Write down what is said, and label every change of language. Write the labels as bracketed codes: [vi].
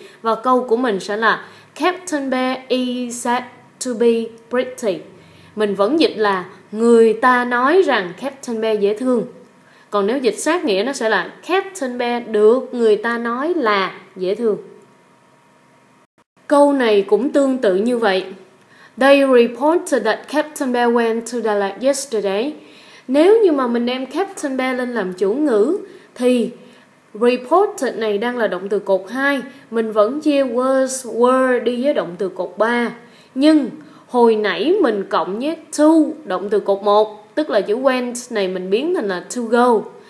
[vi] Và câu của mình sẽ là [en] Captain Bear is said to be pretty. [vi] Mình vẫn dịch là người ta nói rằng Captain Bear dễ thương. Còn nếu dịch sát nghĩa nó sẽ là Captain Bear được người ta nói là dễ thương. Câu này cũng tương tự như vậy. [en] They reported that Captain Bear went to the lake yesterday. [vi] Nếu như mà mình đem Captain Bear lên làm chủ ngữ thì reported này đang là động từ cột 2. Mình vẫn chia was, were đi với động từ cột 3. Nhưng hồi nãy mình cộng với to động từ cột 1, tức là chữ went này mình biến thành là to go.